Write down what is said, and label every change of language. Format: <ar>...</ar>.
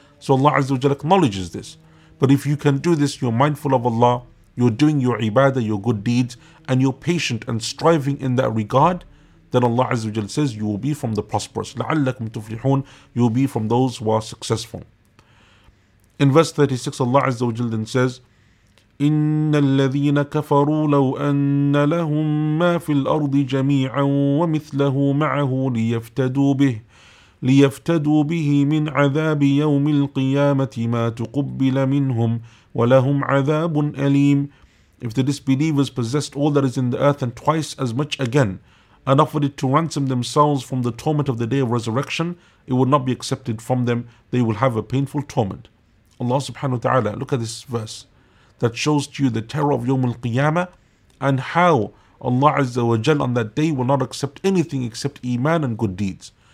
<en>So Allah Azza wa Jalla acknowledges this. But if you can do this, you're mindful of Allah, you're doing your ibadah, your good deeds, and you're patient and striving in that regard, then Allah Azza wa Jalla says, you will be from the prosperous.</en> <ar>لَعَلَّكُمْ تُفْلِحُونَ.</ar> <en>You will be from those who are successful. In verse 36, Allah Azza wa Jalla then says,</en> <ar>إِنَّ الَّذِينَ كَفَرُوا لَوْ أَنَّ لَهُمْ مَا فِي الْأَرْضِ جَمِيعًا وَمِثْلَهُ مَعَهُ لِيَفْتَدُوا بِهِ ليفتدوا به من عذاب يوم القيامة ما تقبل منهم ولهم عذاب أليم.</ar> <en>If the disbelievers possessed all that is in the earth and twice as much again, and offered it to ransom themselves from the torment of the day of resurrection, it would not be accepted from them. They will have a painful torment. Allah subhanahu wa ta'ala, look at this verse that shows to you the terror of Yawm al-Qiyamah and how Allah Azza wa Jal on that day will not accept anything except Iman and good deeds.</en>